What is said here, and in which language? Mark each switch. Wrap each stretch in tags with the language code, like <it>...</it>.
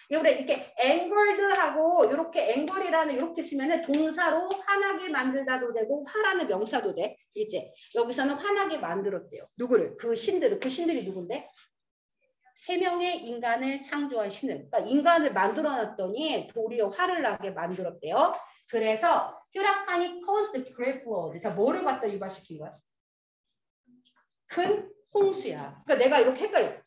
<ko>우리 이렇게 angled하고 이렇게 angle이라는 이렇게 쓰면은 동사로 환하게 만들다도 되고 화라는 명사도 돼. 이제 여기서는 환하게 만들었대요. 누구를? 그 신들을. 그 신들이 누군데? 세 명의 인간을 창조한 신을. 그러니까 인간을 만들어 놨더니 도리어 화를 나게 만들었대요. 그래서</ko> <en>휴라칸이 caused great flood.</en> <ko>자, 뭐를 갖다 유발시킨 거야? 큰 홍수야. 그러니까 내가 이렇게 헷갈려.</ko>